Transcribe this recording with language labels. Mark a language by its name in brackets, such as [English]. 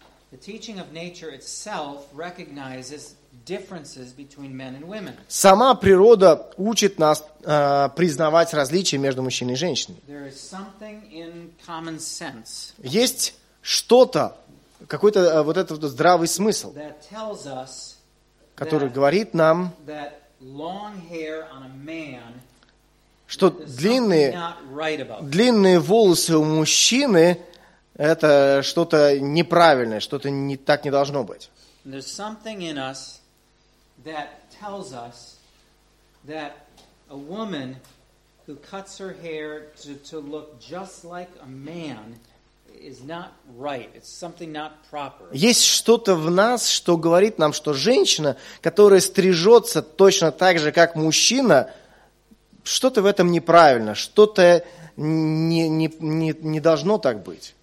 [English] The teaching of nature itself recognizes differences between men and women. [Russian] Сама природа учит нас признавать различия между мужчиной и женщиной. [English] There is something in common sense. [Russian] Есть что-то, какой-то вот этот здравый смысл, [English] that tells us, [Russian] который говорит нам, [English] that long hair on a man, [Russian] что длинные волосы у мужчины – это что-то неправильное, что-то не так не должно быть. [English] There's something in us that tells us that a woman who cuts her hair to look just like a man is not right. It's something not proper. [Russian] Есть что-то в нас, что говорит нам, что женщина, которая стрижется точно так же, как мужчина, что-то в этом неправильно, что-то не должно так быть.